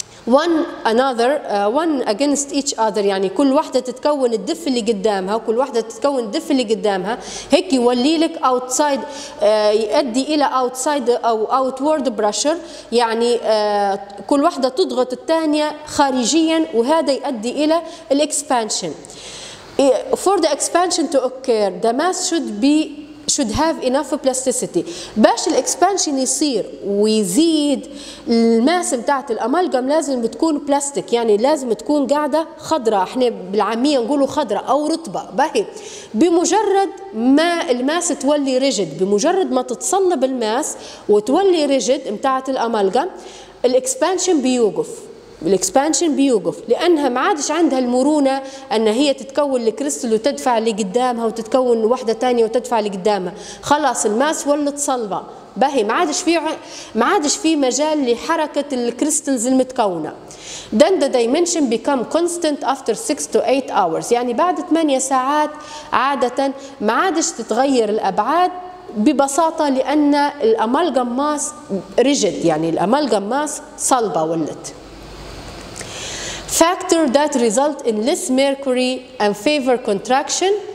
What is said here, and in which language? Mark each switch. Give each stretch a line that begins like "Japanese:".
English: one another one against each other،
Arabic: يعني كل واحدة تتكون الدف اللي قدامها وكل واحدة تتكون الدف اللي قدامها، هيك يولي لك outside يؤدي إلى outside أو
English: outward pressure،
Arabic: يعني كل واحدة تضغط الثانية خارجيا وهذا يؤدي إلى expansion.
English: For the expansion to occur the mass should have enough plasticity.
Arabic: باش الإكسبانشن يصير ويزيد الماس بتاعت الأمالجم لازم تكون بلاستيك، يعني لازم تكون قاعدة خضراء، احنا بالعامية نقوله خضراء أو رطبة باهي. بمجرد ما الماس تولي ريجد، بمجرد ما تتصلب الماس وتولي ريجد بتاعت الأمالجم، الإكسبانشن بيوقف، الإكسبانشن بيوقف لأنها ما عادش عندها المرونة أن هي تتكون الكريستل وتدفع اللي قدامها وتتكون واحدة تانية وتدفع اللي قدامها، خلاص الماس ولت صلبة باهي، ما عادش في مجال لحركة الكريستلز المتكونة.
English: Then the dimension become constant after 6 to 8 hours،
Arabic: يعني بعد 8 ساعات عادة ما عادش تتغير الأبعاد، ببساطة لأن الأمالجم ماس ريجيد، يعني الأمالجم ماس صلبة ولت.
English: Factor that result in less mercury and favor contraction.